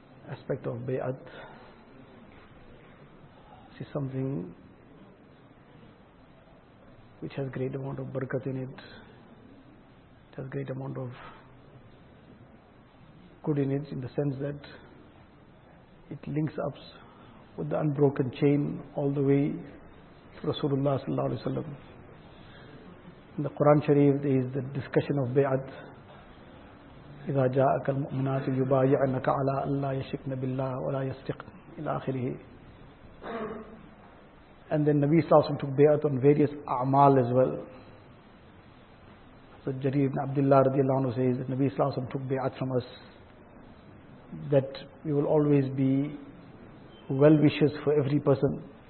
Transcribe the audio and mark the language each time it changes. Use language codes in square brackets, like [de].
[en] Aspect of bay'at, this is something which has great amount of barakat in it, it has great amount of good in it, in the sense that it links up with the unbroken chain all the way to Rasulullah sallallahu alaihi wasallam. In the Quran Sharif there is the discussion of bay'at. [ar] إذا جاءك المؤمنات يبايعنك على أن لا يشركن بالله ولا يسرقن إلى آخره. [en] And then Nabi Sallallahu Alaihi Wasallam took bayat on various a'mal as well. So Jarir ibn Abdullah radiallahu anhu says that Nabi Sallallahu Alaihi Wasallam took bayat from us that we will always be well wishes for every person.